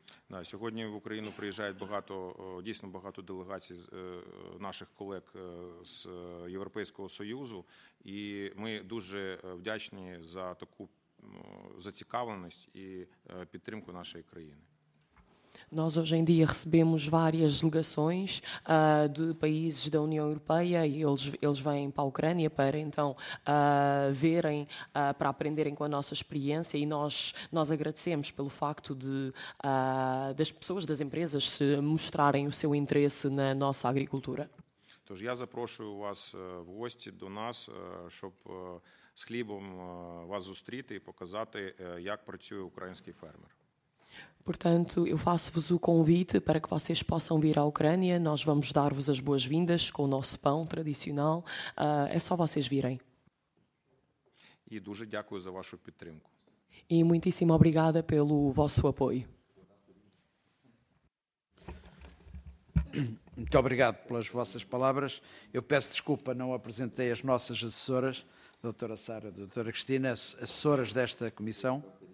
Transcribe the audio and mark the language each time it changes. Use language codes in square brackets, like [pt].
[uk] Да, сьогодні в Україну приїжджають багато, дійсно багато делегацій наших колег з Європейського Союзу, і ми дуже вдячні за таку зацікавленість і підтримку нашої країни. [pt] Nós hoje em dia recebemos várias delegações de países da União Europeia e eles vêm para a Ucrânia para então verem, para aprenderem com a nossa experiência e nós agradecemos pelo facto de das pessoas, das empresas se mostrarem o seu interesse na nossa agricultura. [uk] Тож я запрошую вас в гості до нас, щоб з хлібом вас зустріти і показати, як працює український фермер. [pt] Portanto, eu faço-vos o convite para que vocês possam vir à Ucrânia. Nós vamos dar-vos as boas-vindas com o nosso pão tradicional. É só vocês virem. [uk] E дуже дякую за вашу підтримку. [pt] E muitíssimo obrigada pelo vosso apoio. Muito obrigado pelas vossas palavras. Eu peço desculpa, não apresentei as nossas assessoras, doutora Sara e doutora Cristina, assessoras desta comissão.